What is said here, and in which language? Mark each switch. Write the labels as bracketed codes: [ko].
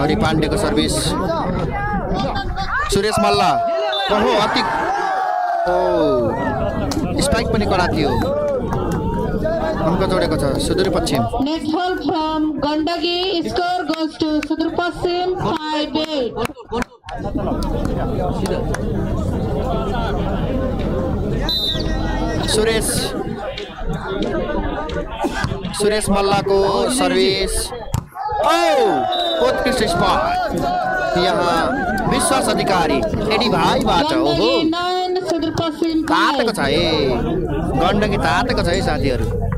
[ne] Hari Pandey ko servis Suresh Malla oho atik spike पनि कडा थियो अंक जोडेको छ Sudurpashchim [en] next ball from Gandaki score goes to Sudurpashchim 5-8 [ne] Suresh मल्लाको service ओ उत्कृष्ट स्पाइक यहाँ विश्वास अधिकारी एडी भाई बाट हो तातेको छ है गण्डकी तातेको छ है साथीहरु